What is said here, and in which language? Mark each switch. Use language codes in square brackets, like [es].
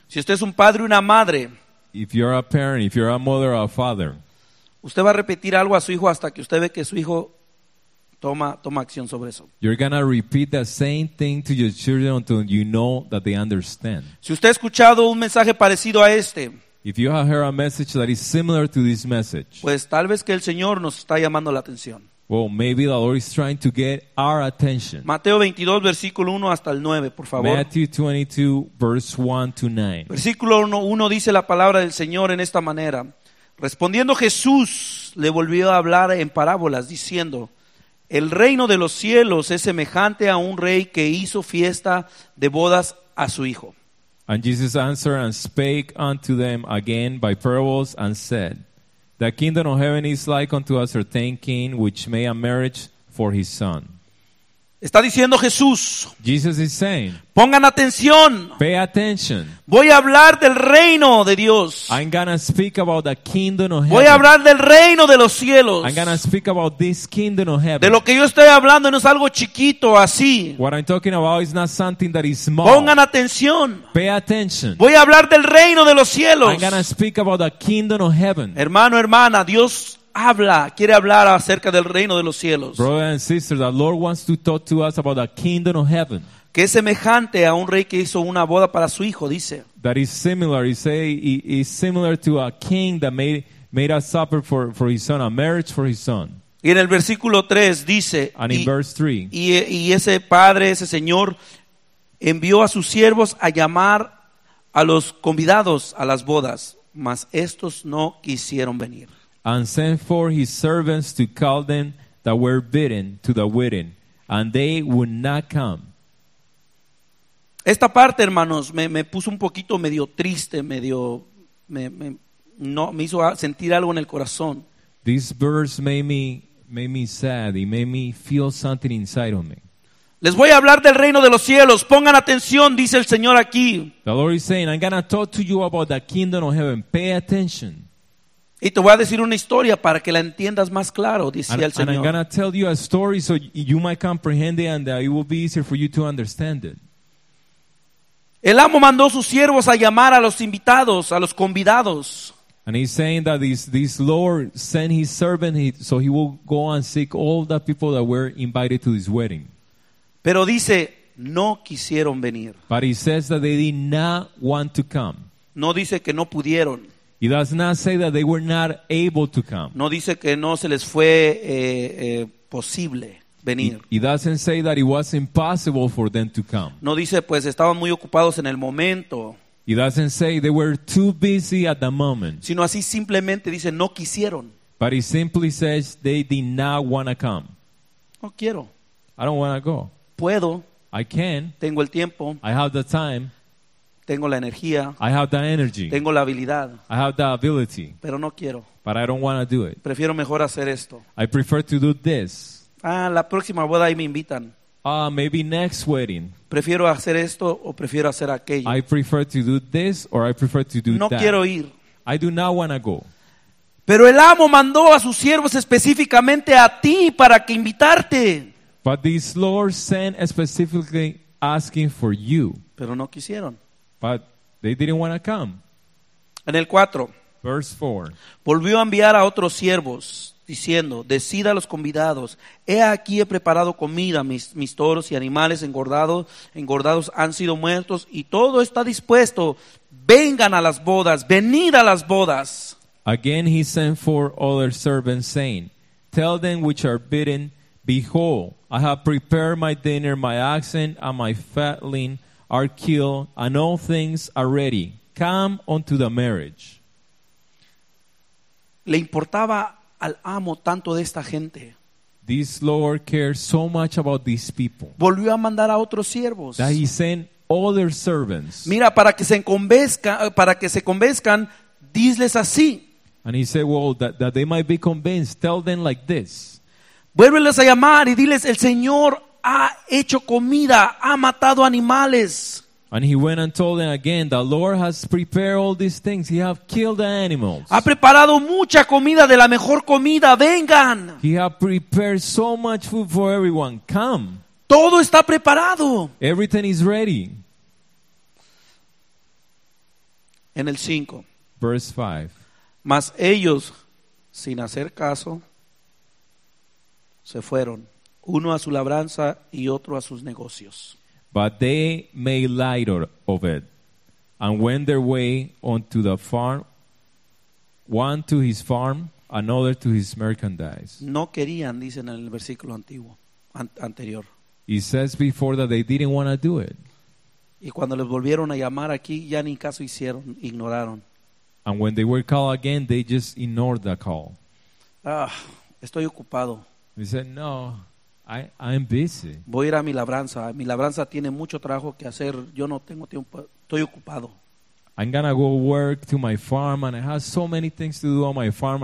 [es] Si usted es un padre y una madre, [en] if you're a parent, if you're a mother or a father, [es] usted va a repetir algo a su hijo hasta que usted ve que su hijo toma acción sobre eso. [en] You're gonna repeat the same thing to your children until you know that they understand. [es] Si usted ha escuchado un mensaje parecido a este, [en] if you have heard a message that is similar to this message, [es] pues tal vez que el Señor nos está llamando la atención. [en] Well, maybe the Lord is trying to get our attention. [es] Mateo 22, versículo 1 hasta el 9, por favor. [en] Matthew 22, verse 1 to 9. [es] Versículo 1 dice la palabra del Señor en esta manera. Respondiendo Jesús, le volvió a hablar en parábolas, diciendo: el reino de los cielos es semejante a un rey que hizo fiesta de bodas a su hijo. [en] And Jesus answered and spake unto them again by parables, and said, the kingdom of heaven is like unto a certain king which made a marriage for his son. [es] Está diciendo Jesús. [en] Jesus is saying, [es] pongan atención. [en] Pay attention. [es] Voy a hablar del reino de Dios. [en] I'm gonna speak about the kingdom of heaven. [es] Voy a hablar del reino de los cielos. [en] I'm gonna speak about this kingdom of heaven. [es] De lo que yo estoy hablando no es algo chiquito así. [en] What I'm talking about is not something that is small. [es] Pongan atención. [en] Pay attention. [es] Voy a hablar del reino de los cielos. [en] I'm gonna speak about the kingdom of heaven. [es] Hermano, hermana, Dios habla, quiere hablar acerca del reino de los cielos. [en] Brother and sister, the Lord wants to talk to us about the kingdom of heaven. [es] Que es semejante a un rey que hizo una boda para su hijo, dice. [en] That is similar, he say, is similar to a king that made a supper for his son, a marriage for his son. [es] Y en el versículo 3 dice, [en] and in verse 3, [es] y ese padre, ese señor, envió a sus siervos a llamar a los convidados a las bodas, mas estos no quisieron venir. [en] And sent for his servants to call them that were bidden to the wedding, and they would not come. [es] Esta parte, hermanos, me puso un poquito medio triste, medio me hizo sentir algo en el corazón. [en] This verse made me sad. It made me feel something inside of me. [es] Les voy a hablar del reino de los cielos. Pongan atención, dice el Señor aquí. [en] The Lord is saying, I'm gonna talk to you about the kingdom of heaven. Pay attention. [es] Y te voy a decir una historia para que la entiendas más claro, decía el Señor. [en] And I'm gonna tell you a story so you might comprehend it, and it will be easier for you to understand it. [es] El amo mandó sus siervos a llamar a los invitados, a los convidados. [en] And he's saying that this Lord sent his servant so he will go and seek all the people that were invited to his wedding. [es] Pero dice, no quisieron venir. [en] But he says that they did not want to come. [es] No dice que no pudieron. [en] He does not say that they were not able to come. [es] No dice que no se les fue posible venir. [en] He doesn't say that it was impossible for them to come. [es] No dice pues estaban muy ocupados en el momento. [en] It doesn't say they were too busy at the moment. [es] Sino así simplemente dice no quisieron. [en] But it simply says they did not want to come. [es] No quiero. [en] I don't want to go. [es] Puedo. [en] I can. [es] Tengo el tiempo. [en] I have the time. [es] Tengo la energía. [en] I have the energy. [es] Tengo la habilidad. [en] I have the ability. [es] Pero no quiero. [en] But I don't want to do it. [es] Prefiero mejor hacer esto. [en] I prefer to do this. [es] Ah, la próxima boda ahí me invitan. [en] Maybe next wedding. [es] Prefiero hacer esto o prefiero hacer aquello. [en] I prefer to do this or I prefer to do no that. [es] No quiero ir. [en] I do not want to go. [es] Pero el amo mandó a sus siervos específicamente a ti para que invitarte. [en] But this Lord sent specifically asking for you. [es] Pero no quisieron. [en] But they didn't want to come. [es] En el 4. [en] Verse 4. [es] Volvió a enviar a otros siervos diciendo, decid a los convidados, he aquí he preparado comida, mis toros y animales engordados han sido muertos y todo está dispuesto. Vengan a las bodas, venid a las bodas. [en] Again he sent four other servants saying, tell them which are bidden, behold, I have prepared my dinner, my oxen and my fatling are killed and all things are ready. Come unto the marriage. [es] Le importaba al amo tanto de esta gente. [en] This Lord cares so much about these people. [es] Volvió a mandar a otros siervos. [en] That he sent other servants. [es] Mira, para que se convenzcan, diles así. [en] And he said, well, that they might be convinced, tell them like this. [es] Vuélveles a llamar y diles, el Señor ha hecho comida, ha matado animales. [en] And he went and told them again, the Lord has prepared all these things. He has killed the animals. [es] Ha preparado mucha comida, de la mejor comida. Vengan. [en] He has prepared so much food for everyone. Come. [es] Todo está preparado. [en] Everything is ready. [es] En el 5. [en] Verse 5. [es] Mas ellos, sin hacer caso, se fueron. Uno a su labranza y otro a sus negocios. [en] But they made light of it and went their way onto the farm, one to his farm, another to his merchandise. [es] No querían, dicen en el versículo anterior. [en] He says before that they didn't want to do it. [es] Y cuando les volvieron a llamar aquí, ya ni caso hicieron, ignoraron. [en] And when they were called again, they just ignored the call. [es] Estoy ocupado. [en] He said, no. I'm busy. [es] Voy a ir a mi labranza. Mi labranza tiene mucho trabajo que hacer. Yo no tengo tiempo. Estoy ocupado. [en] I'm gonna go work to my farm, and I have so many things to do on my farm.